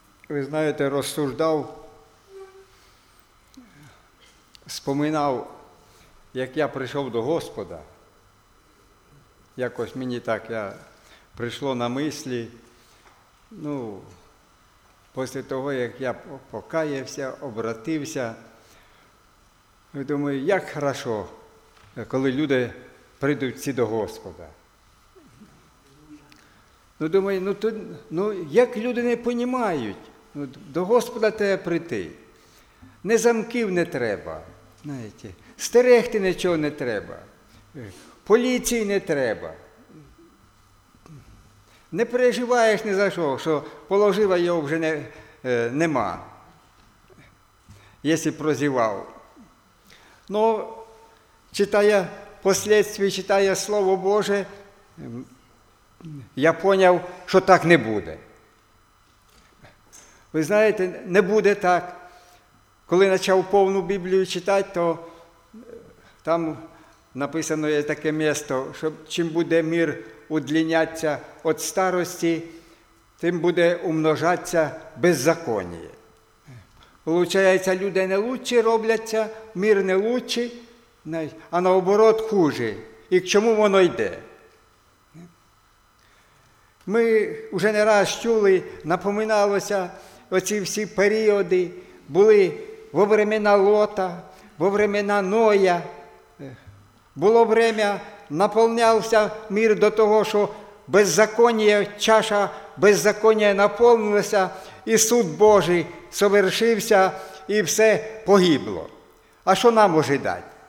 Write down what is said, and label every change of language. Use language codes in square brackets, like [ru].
[ru] Вы знаете, рассуждал, вспоминал, как я пришел до Господа. [uk] Якось мені так я прийшло на мислі, ну, після того, як я покаявся, обратився, думаю, як хорошо, коли люди прийдуть всі до Господа. Ну, думаю, ну, то, ну як люди не понімають, ну, до Господа треба прийти. Не замків не треба, знаєте, стерегти нічого не треба, поліції не треба. Не переживаєш ні за що, що положива його вже нема, якщо прозівав. [ru] Но читая впоследствии, читая Слово Боже, [uk] я поняв, що так не буде. Ви знаєте, не буде так. Коли почав повну Біблію читати, то там написано є таке місце, що чим буде мир удлиняться от старості, тим буде умножатися беззаконіє. Получається, люди не лучше робляться, мир не лучше, [ru] а наоборот хуже. [uk] І к чому воно йде? Ми вже не раз чули, напоминалося, оці всі періоди були [ru] во времена Лота, во времена Ноя. [uk] Було время, наповнявся мир до того, що беззаконіє, чаша беззаконія наповнилася, і суд Божий совершився, і все погибло. А що нам може дати?